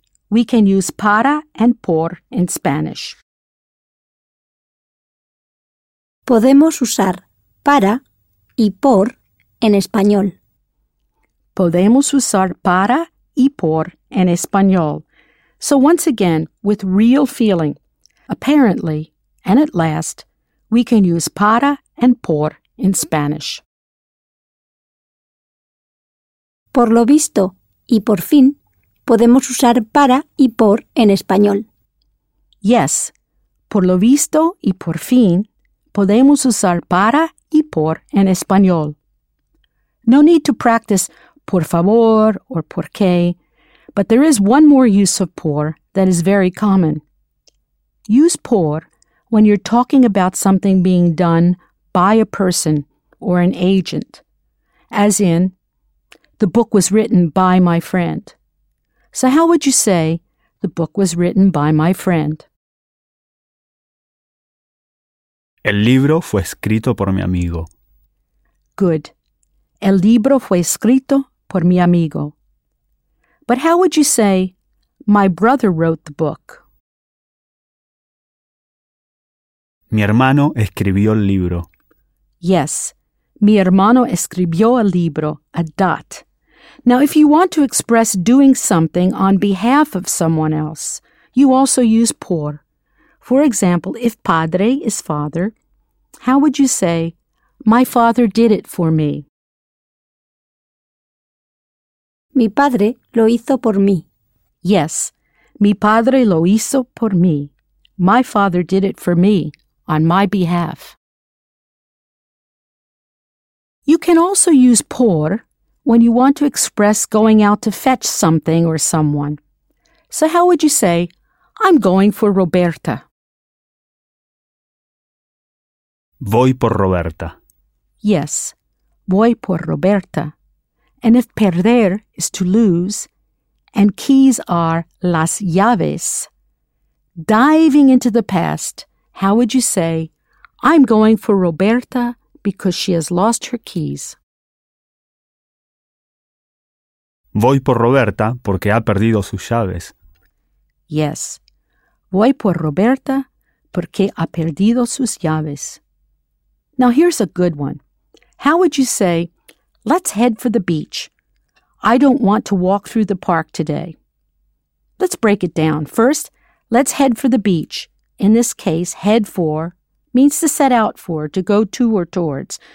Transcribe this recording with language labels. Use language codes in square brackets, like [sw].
[en] We can use para and por in Spanish. [es] Podemos usar para y por en español. Podemos usar para y por en español. [en] So once again, with real feeling, apparently and at last, we can use para and por in Spanish. [es] Por lo visto y por fin, podemos usar para y por en español. Yes, por lo visto y por fin, podemos usar para y por en español. [en] No need to practice por favor or por qué, but there is one more use of por that is very common. Use por when you're talking about something being done by a person or an agent, as in, the book was written by my friend. So how would you say, the book was written by my friend? [es] El libro fue escrito por mi amigo. [en] Good. [es] El libro fue escrito por mi amigo. [en] But how would you say, my brother wrote the book? [es] Mi hermano escribió el libro. [en] Yes. [es] Mi hermano escribió el libro, [en] a dot. Now, if you want to express doing something on behalf of someone else, you also use por. For example, if padre is father, how would you say, my father did it for me? [es] Mi padre lo hizo por mí. Yes, mi padre lo hizo por mí. [en] My father did it for me, on my behalf. You can also use por when you want to express going out to fetch something or someone. So how would you say, I'm going for Roberta? [es] Voy por Roberta. Yes, voy por Roberta. [en] And if perder is to lose, and keys are las llaves, diving into the past, how would you say, I'm going for Roberta because she has lost her keys? [es] Voy por Roberta porque ha perdido sus llaves. Yes, voy por Roberta porque ha perdido sus llaves. [en] Now here's a good one. How would you say, let's head for the beach? I don't want to walk through the park today. Let's break it down. First, let's head for the beach. In this case, head for means to set out for, to go to or towards.